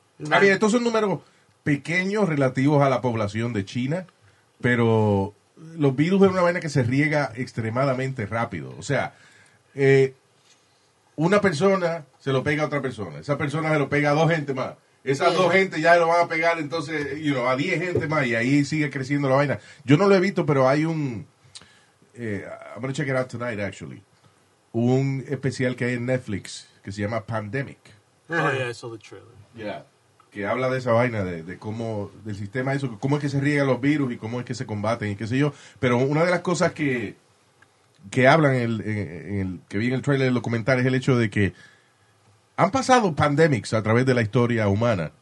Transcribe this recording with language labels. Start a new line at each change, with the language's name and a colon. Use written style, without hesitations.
Spanish: A ver, estos son números pequeños relativos a la población de China, pero los virus es una vaina que se riega extremadamente rápido. O sea, una persona se lo pega a otra persona, esa persona se lo pega a dos gente más, esas dos gente ya lo van a pegar entonces a 10 gente más y ahí sigue creciendo la vaina. Yo no lo he visto, pero hay un...
English: I'm going to check it out tonight, actually.
Spanish: Un especial que hay en Netflix que se llama Pandemic.
English: Oh, yeah, I saw the trailer. Yeah.
Spanish: Que habla de esa vaina, de cómo, del sistema eso, cómo es que se riegan los virus y cómo es que se combaten y qué sé yo. Pero una de las cosas que hablan que vi en el trailer del documental es el hecho de que han pasado pandemics a través de la historia humana.